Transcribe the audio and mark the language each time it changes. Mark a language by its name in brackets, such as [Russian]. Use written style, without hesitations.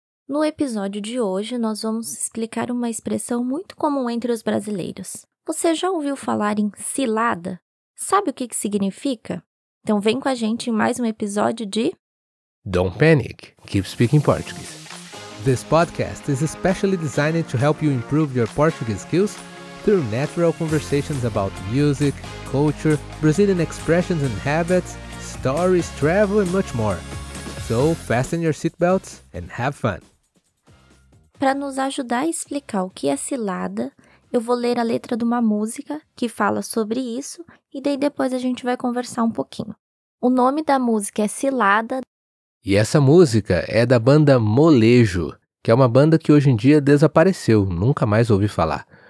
[Portuguese] No episódio de hoje, nós vamos explicar uma expressão muito comum entre os brasileiros. Você já ouviu falar em cilada? Sabe o que significa? Então vem com a gente em mais um episódio de... [English] Don't panic, keep speaking Portuguese. This podcast is especially designed to help you improve your Portuguese skills through natural conversations about music, culture, Brazilian expressions and habits, stories, travel and much more. So, fasten your seatbelts and have fun. [Portuguese] Para nos ajudar a explicar o que é cilada, eu vou ler a letra de uma música que fala sobre isso e daí depois a gente vai conversar um pouquinho. O nome da música é Cilada. E essa música é da banda Molejo, que é uma banda que hoje em dia desapareceu, nunca mais ouvi falar.